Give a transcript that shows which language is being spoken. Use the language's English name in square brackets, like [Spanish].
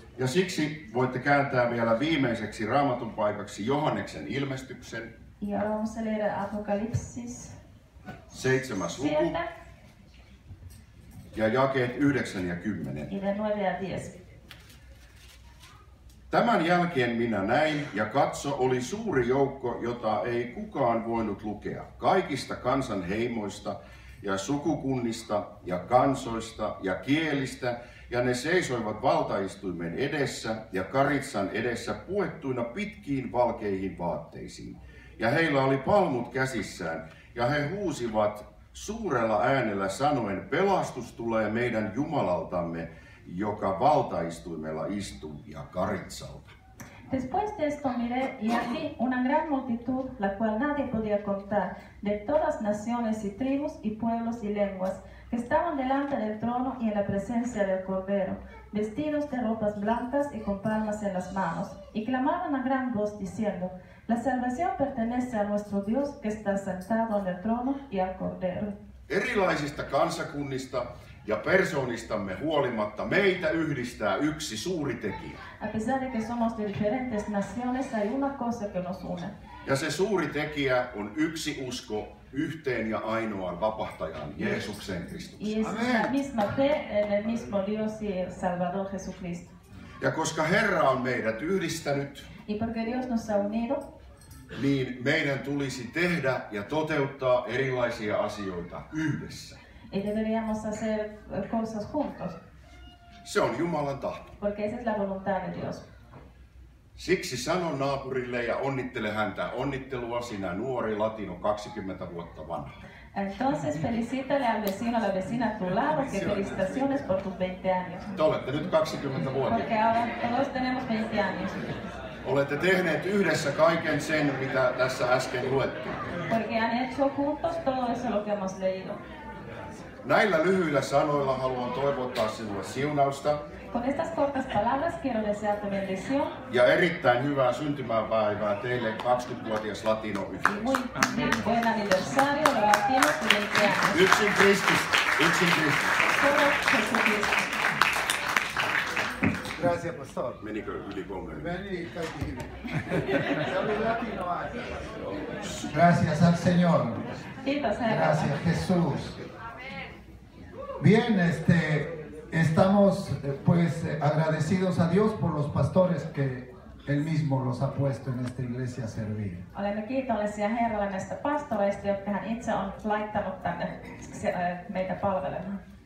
[Finnish] Ja siksi voitte kääntää vielä viimeiseksi Raamatun paikaksi Johanneksen ilmestyksen. [Spanish] Y ahora vamos a leer Apocalipsis. [Finnish] 7. luku. Ja jakeet 9 ja 10. [Spanish] Y de 9 a 10. [Finnish] Tämän jälkeen minä näin, ja katso, oli suuri joukko, jota ei kukaan voinut lukea. Kaikista kansanheimoista ja sukukunnista ja kansoista ja kielistä, ja ne seisoivat valtaistuimen edessä ja karitsan edessä puettuina pitkiin valkeihin vaatteisiin. Ja heillä oli palmut käsissään, ja he huusivat suurella äänellä sanoen, pelastus tulee meidän Jumalaltamme, joka valtaistuimella istuu ja karitsalta. [Spanish] Después de esto miré y aquí una gran multitud, la cual nadie podía contar, de todas naciones y tribus y pueblos y lenguas, que estaban delante del trono y en la presencia del Cordero, vestidos de ropas blancas y con palmas en las manos, y clamaban a gran voz diciendo, la salvación pertenece a nuestro Dios que está sentado en el trono y al Cordero. [Finnish] Erilaisista kansakunnista ja persoonistamme huolimatta meitä yhdistää yksi suuri tekijä. [Spanish] A pesar de que somos de diferentes naciones, hay una cosa que nos une. [Finnish] Ja se suuri tekijä on yksi usko yhteen ja ainoaan vapahtajaan, Jeesukseen Kristukseen. [Spanish] Y es la misma fe en el mismo Dios y el Salvador Jesucristo. [Finnish] Ja koska Herra on meidät yhdistänyt, [Spanish] y porque Dios nos ha unido, [Finnish] niin meidän tulisi tehdä ja toteuttaa erilaisia asioita yhdessä. [Spanish] Y deberíamos hacer cosas juntos. [Finnish] Se on Jumalan tahto. [Spanish] Porque esa es la voluntad de Dios. [Finnish] Siksi sanon naapurille ja onnittele häntä. Onnittelua sinä nuori latino 20 vuotta vanha. [Spanish] Entonces felicítale al vecino, a la vecina a tu lado, que felicitaciones por tus 20 años. [Finnish] Te olette nyt 20 vuotta. [Spanish] Porque ahora todos tenemos 20 años. [Finnish] Olette tehneet yhdessä kaiken sen, mitä tässä äsken luettiin. [Spanish] Porque han hecho juntos todo eso lo que hemos leído. [Finnish] Näillä lyhyillä sanoilla haluan toivottaa sinulle siunausta. [Spanish] Con estas cortas palabras quiero desearte bendición. [Finnish] Ja erittäin hyvää syntymäpäivää teille 20-vuotias latino yhteisö. [Spanish] Muy buen aniversario, latino y 20 años. [Finnish] Yksin Kristus, yksin Kristus. [Spanish] Solo Jesucristo. Gracias, pastor. [Finnish] Menikö yli kolme? Meni kaikki hyvin. Latino aina. [Spanish] Gracias al Señor. [Finnish] Kiitos, Herra. [Spanish] Gracias, Jesús. Bien, estamos... estamos pues agradecidos a Dios por los pastores que Él mismo los ha puesto en esta iglesia a servir. [Finnish] Olemme kiitollisia Herralle näistä pastoreista, jotka hän itse on laittanut tänne meitä palvelemaan.